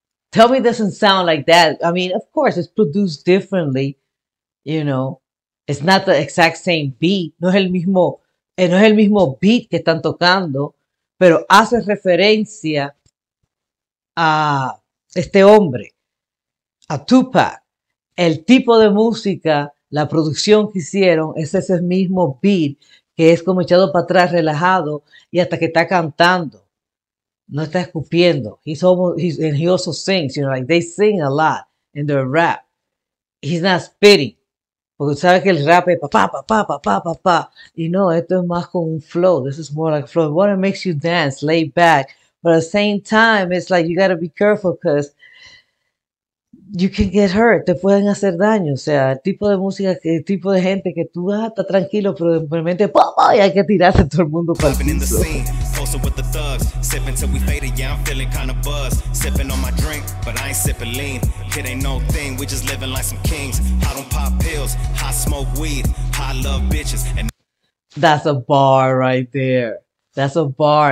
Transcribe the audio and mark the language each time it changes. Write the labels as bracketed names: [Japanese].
[English] Tell me it doesn't sound like that. I mean, of course, it's produced differently, you know. It's not the exact same beat. [Spanish] No es el mismo beat que están tocando, pero hace referencia a este hombre, a Tupac. El tipo de música la producción que hicieron es ese mismo beat, que es como echado para atrás, relajado, y hasta que está cantando. No está escupiendo. [English] He's almost, he's, and he also sings, you know, like they sing a lot in their rap. He's not spitting. [Spanish] Porque sabes que el rap es pa pa pa pa pa pa pa. Y no, esto es más con un flow. [English] This is more like flow. What makes you dance, lay back. But at the same time, it's like you gotta be careful because you can get hurt. [Spanish] Te pueden hacer daño. O sea, el tipo de música, el tipo de gente que tú vas, está tranquilo, pero de repente, pa pa, y hay que tirarse todo el mundo para el [English] In the [Spanish] piso. [English] scene, closer with the thugs, sipping till we faded. Yeah, I'm feeling kind of buzz, sipping on my drink, but I ain't sipping lean. Kid ain't no thing, we just living like some kings. I don't pop pills, I smoke weed, I love bitches. And That's a bar right there. That's a bar.